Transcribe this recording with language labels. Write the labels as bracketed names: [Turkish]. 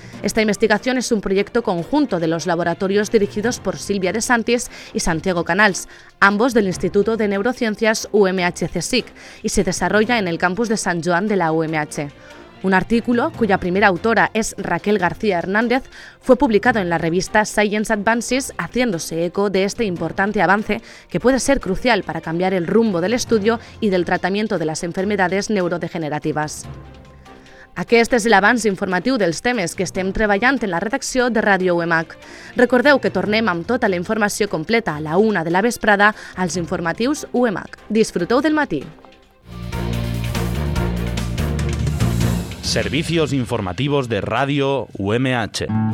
[Spanish] Esta investigación es un proyecto conjunto de los laboratorios dirigidos por Silvia De Santis y Santiago Canals, ambos del Instituto de Neurociencias UMH-CSIC, y se desarrolla en el campus de San Joan de la UMH. Un artículo, cuya primera autora es Raquel García Hernández, fue publicado en la revista Science Advances, haciéndose eco de este importante avance que puede ser crucial para cambiar el rumbo del estudio y del tratamiento de las enfermedades neurodegenerativas. [Catalan] Aquest és l'avanç informatiu dels temes que estem treballant en la redacció de Ràdio UMH. Recordeu que tornem amb tota la informació completa a la una de la vesprada als informatius UMH. Disfruteu del matí! [Spanish] Servicios informativos de Radio UMH.